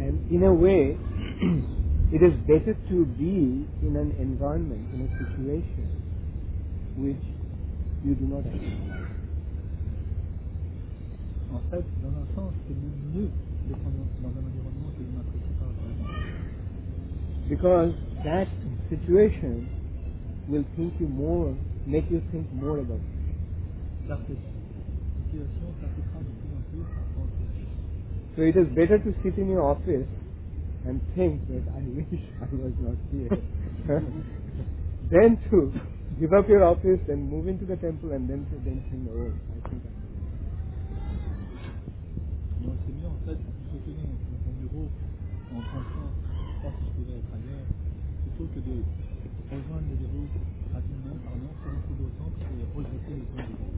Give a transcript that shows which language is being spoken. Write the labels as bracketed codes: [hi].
[en] In a way, it is better to be in an environment, in a situation, which you do not have. [fr] En fait, dans un sens, c'est mieux de prendre dans un environnement que vous n'appréciez pas vraiment. [en] Because that situation will think you more, make you think more about it. So it is better to sit in your office and think that I wish I was not here. Then to give up your office and move into the temple and then to then think, oh, I think I'm here. [fr] C'est mieux en fait de se tenir dans son bureau en pensant, je crois que je pourrais être ailleurs, plutôt que de rejoindre le bureau rapidement, pardon, se retrouver au temple et rejeter le temple.